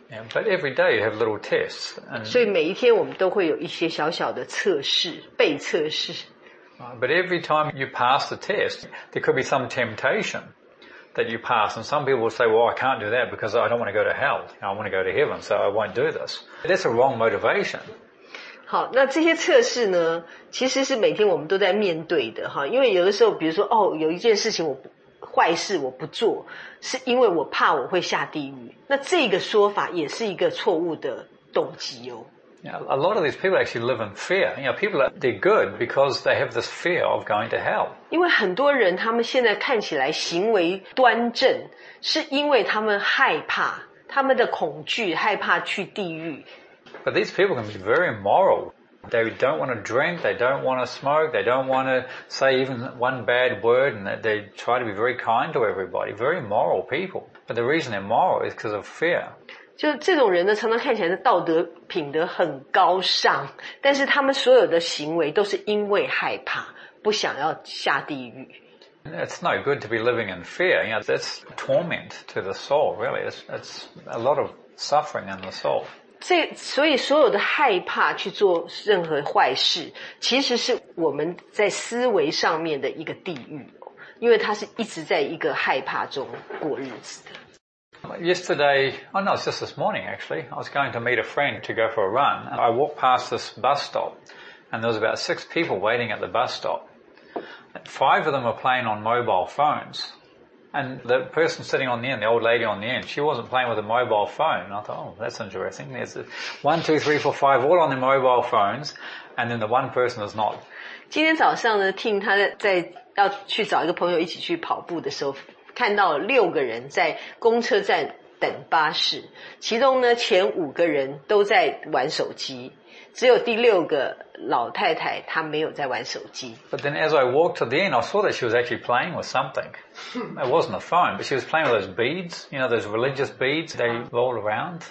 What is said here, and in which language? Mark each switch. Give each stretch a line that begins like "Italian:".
English: Yeah, but every day you have little tests. And
Chinese: 所以每一天我们都会有一些小小的测试，被测试。
English: But every time you pass the test, there could be some temptation that you pass. And some people will say, well, I can't do that because I don't want to go to hell. I want to go to heaven, so I won't do this. That's a wrong motivation.
Chinese: 好，那这些测试呢，其实是每天我们都在面对的。因为有的时候，比如说，哦，有一件事情我不坏事我不做，是因为我怕我会下地狱。那这个说法也是一个错误的动机哦。
English: Yeah, a lot of these people actually live in fear. You know, people are, they're good because they have this fear of going to hell.
Chinese: 因为很多人他们现在看起来行为端正，是因为他们害怕，他们的恐惧，害怕去地狱。
English: But these people can be very immoral. They don't want to drink, they don't want to smoke, they don't want to say even one bad word, and they try to be very kind to everybody, very moral people. But the reason they're moral is because of fear.
Chinese: 就这种人呢，常常看起来的道德品德很高尚，但是他们所有的行为都是因为害怕，不想要下地狱。
English: It's no good to be living in fear. You know, that's torment to the soul, really. It's a lot of suffering in the soul.
Chinese: 所以所有的害怕去做任何坏事，其实是我们在思维上面的一个地狱，因为他是一直在一个害怕中过日子的。
English: Yesterday, oh no, it's just this morning actually, I was going to meet a friend to go for a run, and I walked past this bus stop, and there was about six people waiting at the bus stop. Five of them were playing on mobile phones. And the person sitting on the end, the old lady on the end, she wasn't playing with a mobile phone. And I thought, oh, that's interesting. There's one, two, three, four, five, all on their mobile phones. And then the one person is not.
Chinese: 今天早上呢 Tim 他在要去找一个朋友一起去跑步的时候看到六个人在公车站等巴士，其中呢前五个人都在玩手机，只有第六个老太太她没有在玩手机。
English: But then as I walked to the end, I saw that she was actually playing with something. It wasn't a phone, but she was playing with those beads, you know, those religious beads they roll around.